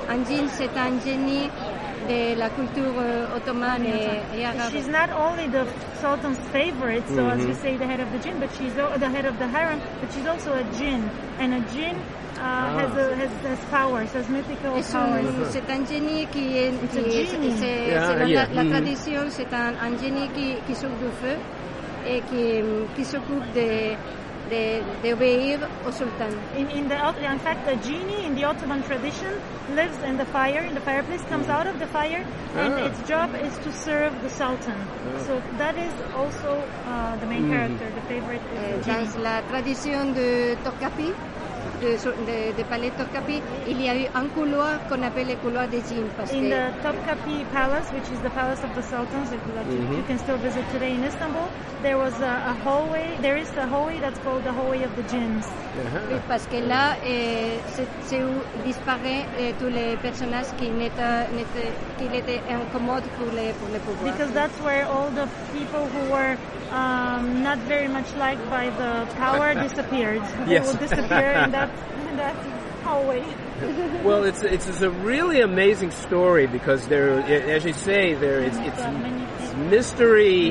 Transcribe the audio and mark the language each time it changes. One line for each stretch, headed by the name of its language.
French: Un djinn, c'est un génie de la culture ottomane et arabe.
English: She's not only the sultan's favorite, so as you say, the head of the djinn, but she's the head of the harem. But she's also a djinn, and a djinn. Has powers, has mythical powers.
French: C'est un génie qui est.
English: It's a genie.
French: La tradition, c'est un génie qui sort du feu et qui s'occupe d'obéir au sultan.
English: In fact, a genie in the Ottoman tradition lives in the fire, in the fireplace, comes out of the fire, and its job is to serve the sultan. So that is also the main character, the favorite genie.
French: Dans la tradition de Tocapi. De Palais Topkapi, il y a eu un couloir qu'on appelle le couloir des djinns.
English: In the Topkapi Palace, which is the palace of the sultans, you can still visit today in Istanbul, there was a hallway. There is a hallway that's called the hallway of the djinns.
French: Oui, parce que là, c'est où disparaît tous les personnages qui étaient incommodes pour les pouvoirs.
English: Because that's where all the people who were not very much liked by the power disappeared. Yes. They would disappear in that hallway. Well, it's a really amazing story because it's mystery.